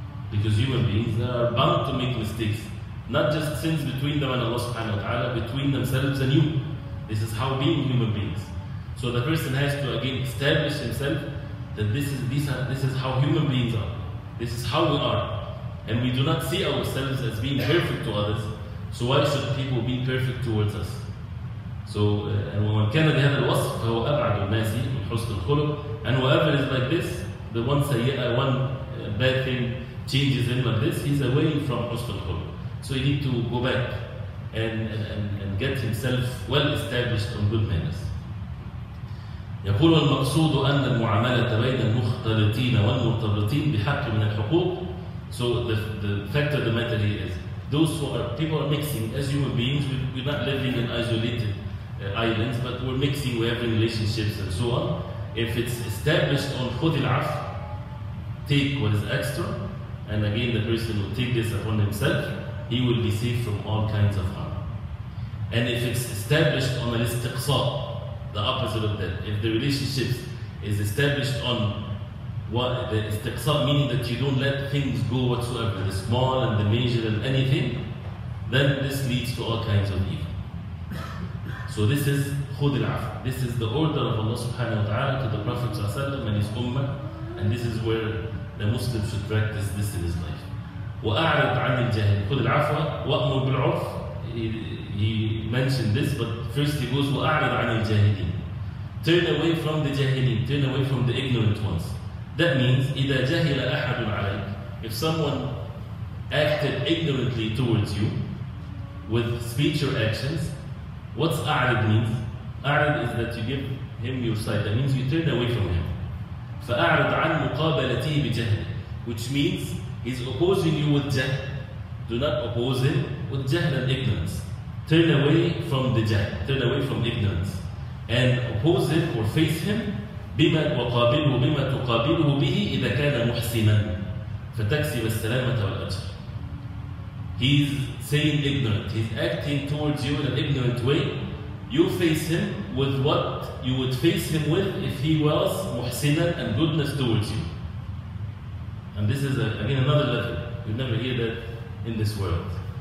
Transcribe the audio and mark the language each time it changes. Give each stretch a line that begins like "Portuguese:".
English: Because human beings are bound to make mistakes. Not just sins between them and Allah subhanahu wa ta'ala, between themselves and you. This is how being human beings. So the person has to again establish himself that this is how human beings are. This is how we are. And we do not see ourselves as being perfect to others. So why should people be perfect towards us? So, and
Arabic: وَمَنْ كَانَ بِهَذَا الْوَصْفِ فَهُوَ أَبْعَدُ النَّاسِ مِنْ حُسْنِ الْخُلُقِ.
English: And whoever is like this, the one سيئة, one bad thing, changes him like this, he's away from husnul khuluq. So he need to go back and get himself well established on good manners.
Arabic: يقول المقصود أن المعاملة بين المختلطين والمرتبطين بحق من الحقوق.
English: So the fact of the matter here is, those who are, people are mixing as human beings, we're not living in isolated islands, but we're mixing, we're having relationships and so on. If it's established on
Arabic: خذ العفو,
English: take what is extra, and again the person will take this upon himself, he will be saved from all kinds of harm. And if it's established on al-istiqsa, the opposite of that, if the relationship is established on what the istiqsa, meaning that you don't let things go whatsoever, the small and the major and anything, then this leads to all kinds of evil. So this is khud al-af. This is the order of Allah subhanahu wa ta'ala to the Prophet and his ummah, and this is where the Muslim should practice this in his life.
Arabic: وَأَعْرِضْ عَنِ الْجَهِلِ. خُدْ الْعَفْوَ وَأْمُرْ بِالْعُرْفِ.
English: He mentioned this, but first he goes,
Arabic: وَأَعْرِضْ عَنِ الْجَهِلِينَ.
English: Turn away from the jahilin, turn away from the ignorant ones.
Arabic: That means, إِذَا جَهِلَ أَحَدٌ عَلَيْكَ.
English: If someone acted ignorantly towards you, with speech or actions, what's أَعْرِضْ means? أَعْرِضْ is that you give him your side, that means you turn away from him.
Arabic: فَأَعْرِضْ عَنْ مُقَابَلَتِهِ بِجَهْلِ,
English: which means He's opposing you with jahl. Do not oppose him with jahl and ignorance. Turn away from the jahl, turn away from ignorance. And oppose him or face him
Arabic: بِمَا وَقَابِلُهُ بِمَا تُقَابِلُهُ بِهِ إِذَا كَانَ مُحْسِمًا فَتَكْسِبَ السَّلَامَةَ وَالْأَجْرِ.
English: He's saying ignorant. He's acting towards you in an ignorant way. You face him with what you would face him with if he was muhsinan and goodness towards you. And this is again another level. You never hear that in this world.